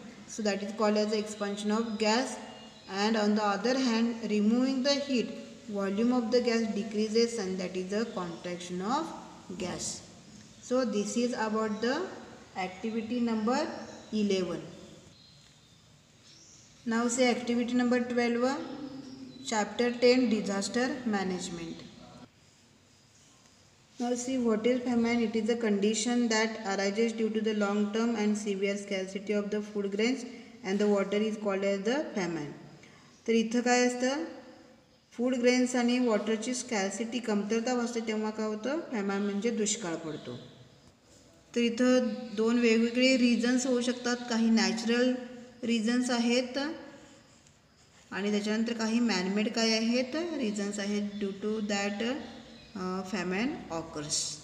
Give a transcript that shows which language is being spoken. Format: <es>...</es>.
<en>So that is called as a expansion of gas. And on the other hand removing the heat volume of the gas decreases and that is a contraction of gas. So this is about the activity number 11. Now see activity number 12, chapter 10, disaster management. Now see, what is famine? It is a condition that arises due to the long-term and severe scarcity of the food grains and the water is called as the famine.</en> <mr>तर इथं काय असतं, food grains आणि वॉटरची स्कॅसिटी, कमतरता असते तेव्हा काय होतं, फॅमाइन म्हणजे दुष्काळ पडतो. तर इथं दोन वेगवेगळे रिझन्स होऊ शकतात, काही नॅचरल रिझन्स आहेत आणि त्याच्यानंतर काही मॅनमेड काय आहेत रिझन्स आहेत</mr> <en>Due to that famine occurs.</en>